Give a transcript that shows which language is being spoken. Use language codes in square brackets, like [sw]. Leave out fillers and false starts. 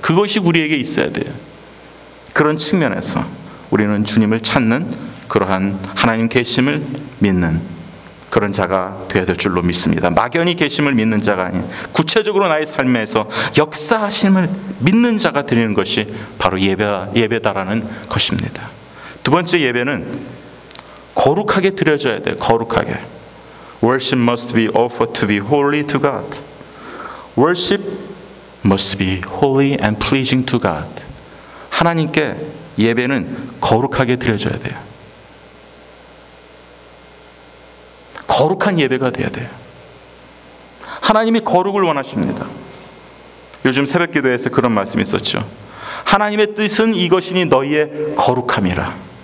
[ko] 그것이 우리에게 있어야 돼요. 그런 측면에서 우리는 주님을 찾는 그러한 하나님 계심을 믿는 그런 자가 되어야 될 줄로 믿습니다. 막연히 계심을 믿는 자가 아닌 구체적으로 나의 삶에서 역사하심을 믿는 자가 드리는 것이 바로 예배다라는 것입니다. 두 번째 예배는 거룩하게 드려져야 돼요. 거룩하게. [en] Worship must be offered to be holy to God. Worship must be holy and pleasing to God. [ko] 하나님께 예배는 거룩하게 드려져야 돼요. 거룩한 예배가 돼야 돼요. 하나님이 거룩을 원하십니다. 요즘 새벽 기도에서 그런 말씀이 있었죠. 하나님의 뜻은 이것이니 너희의 거룩함이라.